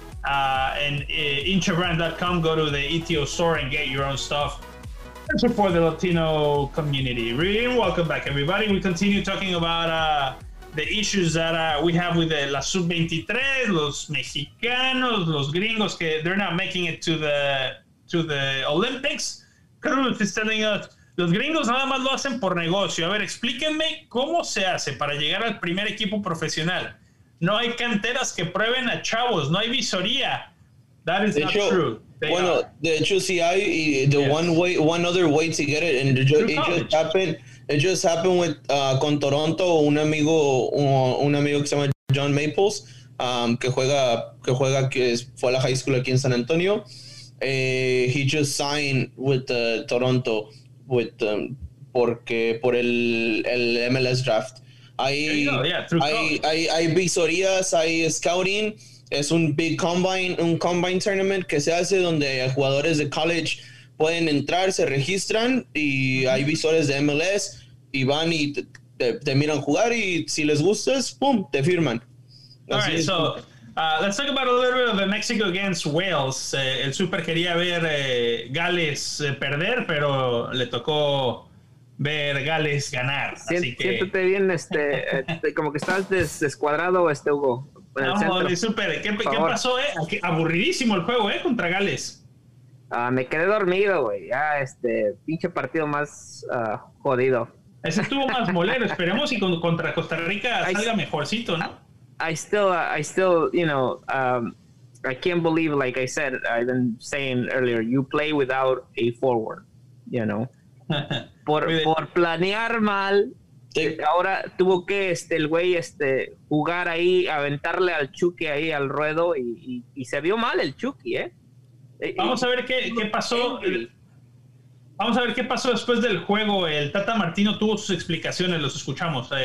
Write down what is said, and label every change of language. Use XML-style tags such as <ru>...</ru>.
<en>And inchabrand.com, go to the ETO store and get your own stuff. And support the Latino community. Really welcome back, everybody. We continue talking about the issues that we have with La Sub-23, Los Mexicanos, Los Gringos, que they're not making it to the Olympics. Cruz is telling us,</en> <es>Los gringos nada más lo hacen por negocio. A ver, explíquenme cómo se hace para llegar al primer equipo profesional. No hay canteras que prueben a chavos. No hay visoría.</es> <en>That is not true.</en> <es>One other way to get it, and it just happened with con Toronto. Un amigo que se llama John Maples, que juega que fue a la high school aquí en San Antonio.</es> <en>He just signed with Toronto.</en> <es>With porque por el MLS draft hay visorías, hay scouting, es un</es> <en>big combine tournament</en> <es>que se hace donde jugadores de college pueden entrar, se registran y hay visores de MLS y van y te miran jugar y si les gustas, pum, te firman. Así es.</es> <en>Let's talk about a little bit of the Mexico against Wales.</en> <es>El Super quería ver Gales perder, pero le tocó ver Gales ganar. Siéntate bien, como que estás descuadrado, Hugo. El Super, ¿qué pasó? Aburridísimo el juego, contra Gales. Me quedé dormido, güey. Ya, pinche partido más jodido. Ese estuvo más molero. Esperemos y contra Costa Rica salga mejorcito, ¿no?</es> <en>I still, I can't believe, like I said, I've been saying earlier, you play without a forward, you know.</en> <es>por planear mal, ahora tuvo que el güey jugar ahí, aventarle al Chucky ahí al ruedo y se vio mal el Chucky, ¿eh? Vamos a ver qué pasó. Vamos a ver qué pasó después del juego. El Tata Martino tuvo sus explicaciones, los escuchamos.</es>